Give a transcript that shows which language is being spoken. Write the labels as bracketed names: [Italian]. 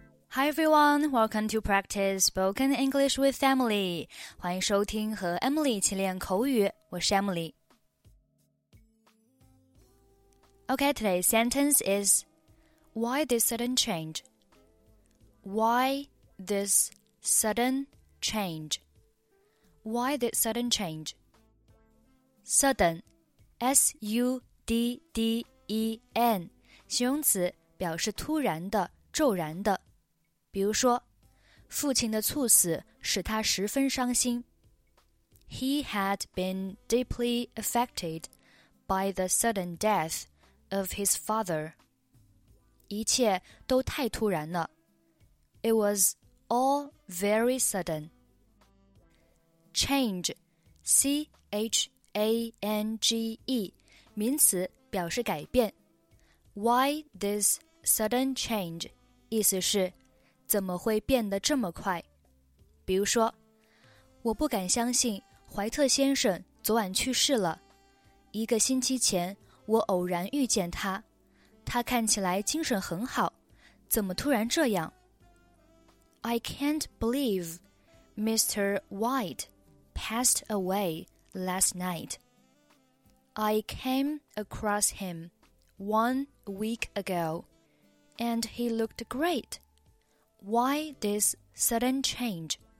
[English] Hi everyone, welcome to practice spoken English with Emily. [Chinese] 欢迎收听和 Emily 一起练口语，我是 Emily. [English] Okay, today's sentence is, why this sudden change? Why this sudden change? Why this sudden change? Sudden, S-U-D-D-E-N, [Chinese] 形容词表示突然的，骤然的。比如说，父亲的猝死使他十分伤心。 [English] He had been deeply affected by the sudden death of his father. [Chinese] 一切都太突然了。 [English] It was all very sudden. Change, C-H-A-N-G-E, [Chinese] 名词表示改变。 [English] Why this sudden change? [Chinese] 意思是怎么会变得这么快？比如说，我不敢相信怀特先生昨晚去世了。一个星期前，我偶然遇见他，他看起来精神很好，怎么突然这样？ [English] I can't believe Mr. White passed away last night. I came across him 1 week ago, and he looked great. Why this sudden change?